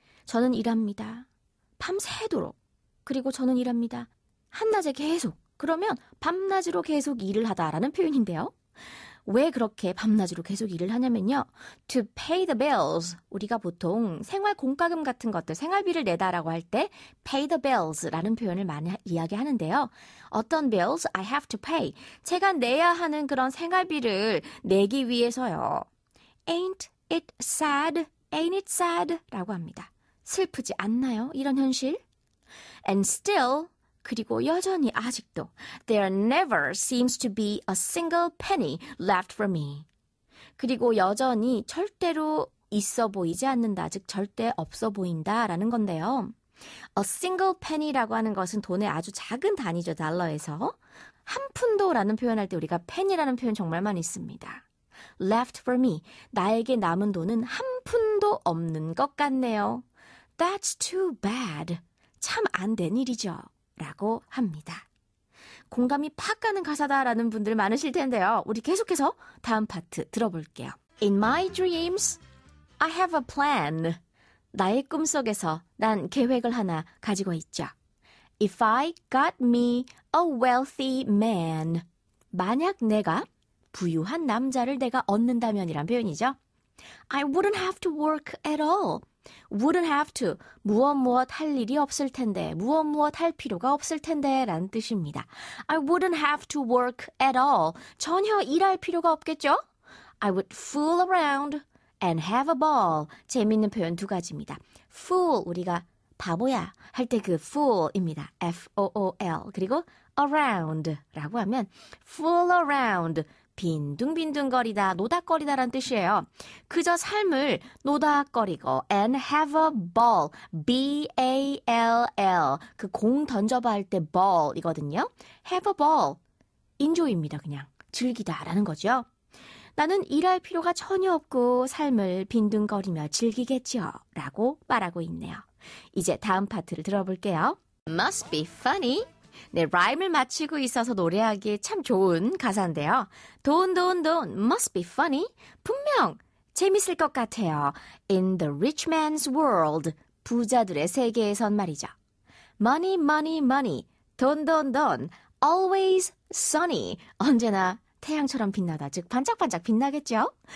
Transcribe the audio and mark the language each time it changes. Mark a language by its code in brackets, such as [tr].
[ko] 저는 일합니다. 밤새도록. 그리고 저는 일합니다. 한낮에 계속. 그러면 밤낮으로 계속 일을 하다라는 표현인데요. 왜 그렇게 밤낮으로 계속 일을 하냐면요. [en] To pay the bills. [ko] 우리가 보통 생활 공과금 같은 것들, 생활비를 내다라고 할 때 pay the bills라는 표현을 많이 이야기하는데요. [en] 어떤 bills I have to pay. [ko] 제가 내야 하는 그런 생활비를 내기 위해서요. [en] Ain't it sad? Ain't it sad? [ko] 라고 합니다. 슬프지 않나요? 이런 현실. [en] And still... [ko] 그리고 여전히 아직도 [en] There never seems to be a single penny left for me. [ko] 그리고 여전히 절대로 있어 보이지 않는다. 즉 절대 없어 보인다라는 건데요. A single penny라고 하는 것은 돈의 아주 작은 단위죠. 달러에서. 한 푼도라는 표현할 때 우리가 penny라는 표현 정말 많이 씁니다. [en] Left for me. [ko] 나에게 남은 돈은 한 푼도 없는 것 같네요. [en] That's too bad. [ko] 참 안 된 일이죠. 라고 합니다. 공감이 팍 가는 가사다라는 분들 많으실 텐데요. 우리 계속해서 다음 파트 들어볼게요. [en] In my dreams, I have a plan. [ko] 나의 꿈 속에서 난 계획을 하나 가지고 있죠. [en] If I got me a wealthy man. [ko] 만약 내가 부유한 남자를 내가 얻는다면이란 표현이죠. [en] I wouldn't have to work at all. Wouldn't have to. [ko] 무엇무엇 할 일이 없을 텐데, 무엇무엇 할 필요가 없을 텐데 라는 뜻입니다. [en] I wouldn't have to work at all. [ko] 전혀 일할 필요가 없겠죠? [en] I would fool around and have a ball. [ko] 재미있는 표현 두 가지입니다. Fool, 우리가 바보야 할 때 그 fool입니다. F-O-O-L. 그리고 around 라고 하면 fool around. 빈둥빈둥거리다, 노닥거리다란 뜻이에요. 그저 삶을 노닥거리고 [en] and have a ball, [ko] B-A-L-L, 그 공 던져봐 할 때 ball이거든요. [en] Have a ball, enjoy입니다. [ko] 그냥 즐기다라는 거죠. 나는 일할 필요가 전혀 없고 삶을 빈둥거리며 즐기겠죠. 라고 말하고 있네요. 이제 다음 파트를 들어볼게요. [en] Must be funny. [ko] 네, 라임을 맞추고 있어서 노래하기에 참 좋은 가사인데요. [en] Don't, don't, don't, must be funny. [ko] 분명 재밌을 것 같아요. [en] In the rich man's world, [ko] 부자들의 세계에선 말이죠. [en] Money, money, money, don't, don't, don't, always sunny. [ko] 언제나 태양처럼 빛나다, 즉 반짝반짝 빛나겠죠?